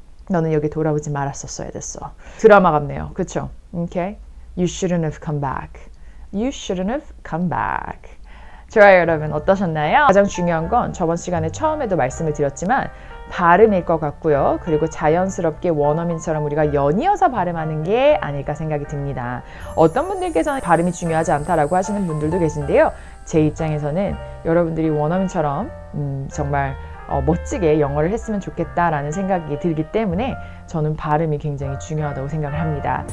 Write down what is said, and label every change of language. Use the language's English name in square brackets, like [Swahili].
[Korean] 너는 여기 돌아오지 말았었어야 됐어. 드라마 같네요. 그쵸? Okay? [English] You shouldn't have come back. You shouldn't have come back. [Korean] 좋아요, 여러분. 어떠셨나요? 가장 중요한 건 저번 시간에 처음에도 말씀을 드렸지만 발음일 것 같고요. 그리고 자연스럽게 원어민처럼 우리가 연이어서 발음하는 게 아닐까 생각이 듭니다. 어떤 분들께서는 발음이 중요하지 않다라고 하시는 분들도 계신데요. 제 입장에서는 여러분들이 원어민처럼 정말 멋지게 영어를 했으면 좋겠다라는 생각이 들기 때문에 저는 발음이 굉장히 중요하다고 생각을 합니다.